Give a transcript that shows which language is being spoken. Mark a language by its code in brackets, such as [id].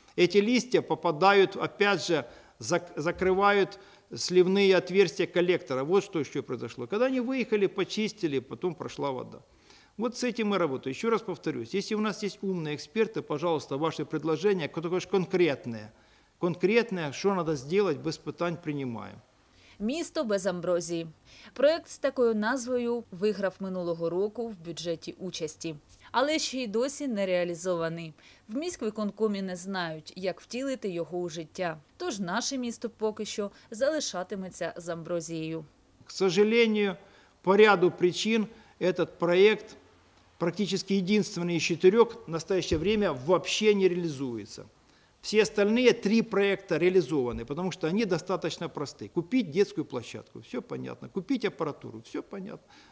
[ru] Эти листья попадают, опять же, закрывают сливные отверстия коллектора. Вот что еще произошло. Когда они выехали, почистили, потом прошла вода. Вот с этим мы работаем. Еще раз повторюсь, если у нас есть умные эксперты, пожалуйста, ваши предложения, такое же конкретное. Конкретное, что надо сделать, без испытаний принимаем. [uk] Місто без амброзії. Проект з такою назвою виграв минулого року в бюджеті участі. Але ще й досі не реалізований. В міськвиконкомі не знають, як втілити його у життя. Тож наше місто поки що залишатиметься з амброзією. [ru] К сожалению, по ряду причин этот проект, практически единственный из четырех, в настоящее время вообще не реализуется. Все остальные три проекта реализованы, потому что они достаточно просты. Купить детскую площадку, все понятно. Купить аппаратуру, все понятно.